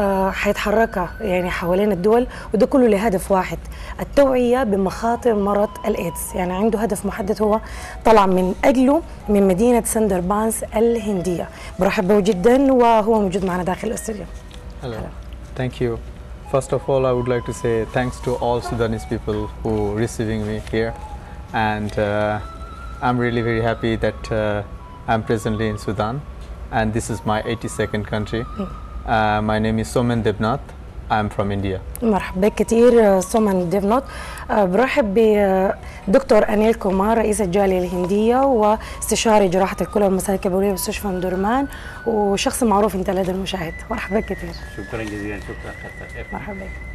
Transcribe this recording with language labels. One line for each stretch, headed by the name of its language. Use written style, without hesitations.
Arabic: حيتحركها يعني حوالين الدول وده كله لهدف واحد التوعية بمخاطر مرض الإيدز يعني عنده هدف محدد هو طلع من أجله من مدينة سندربانس الهندية برحب به جدا وهو موجود معنا داخل الاستوديو
English: Hello. Thank you. First of all, I would like to say thanks to all Sudanese people who are receiving me here. And I'm really very happy that I'm presently in Sudan. And this is my 82nd country. My name is Somen Debnath. I'm from India.
Arabic: مرحبا بك كثير سومن ديفنوت. برحب بدكتور أنيل كومار رئيس الجالية الهندية واستشاري جراحة الكلى والمسالك البولية بمستشفى دورمان وشخص معروف انت لدى المشاهد. مرحبا بك كثير. شكرا جزيلا. شكرا خطر. مرحبا بك.